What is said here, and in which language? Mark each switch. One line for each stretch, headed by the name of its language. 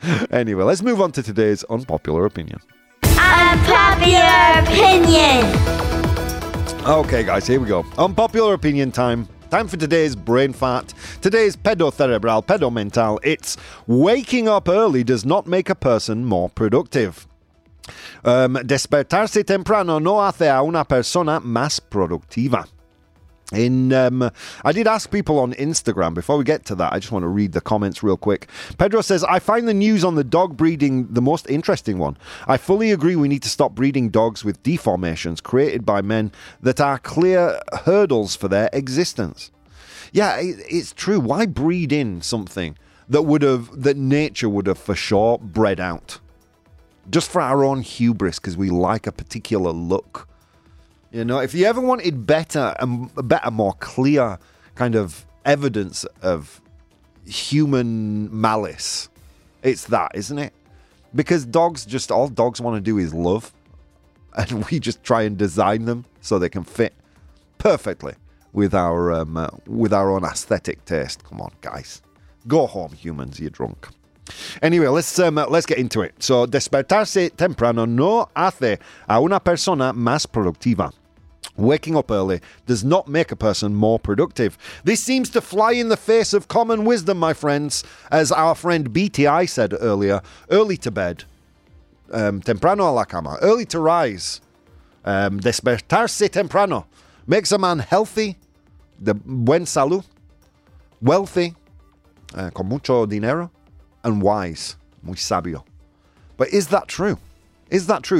English: Anyway, let's move on to today's unpopular opinion. Unpopular opinion. Okay, guys, here we go. Unpopular opinion time. Time for today's brain fart.
Spanish: Today's pedo cerebral, pedo mental.
English: It's waking up early does not make a person more productive.
Spanish: Despertarse temprano no hace a una persona más productiva.
English: I did ask people on Instagram, before we get to that, I just want to read the comments real quick. Pedro says, I find the news on the dog breeding the most interesting one. I fully agree we need to stop breeding dogs with deformations created by men that are clear hurdles for their existence. Yeah, it's true. Why breed in something that nature would have for sure bred out? Just for our own hubris, because we like a particular look. You know, if you ever wanted better and better, more clear kind of evidence of human malice, it's that, isn't it? Because dogs, just all dogs want to do is love. And we just try and design them so they can fit perfectly with our own aesthetic taste. Come on, guys. Go home, humans. You're drunk. Anyway, let's get into it.
Spanish: So, despertarse temprano no hace a una persona más productiva.
English: Waking up early does not make a person more productive. This seems to fly in the face of common wisdom, my friends. As our friend BTI said earlier, early to bed,
Spanish: temprano a la cama,
English: early to rise,
Spanish: despertarse temprano,
English: makes a man healthy,
Spanish: de buen salud,
English: wealthy,
Spanish: con mucho dinero,
English: and wise,
Spanish: muy sabio.
English: But is that true? Is that true?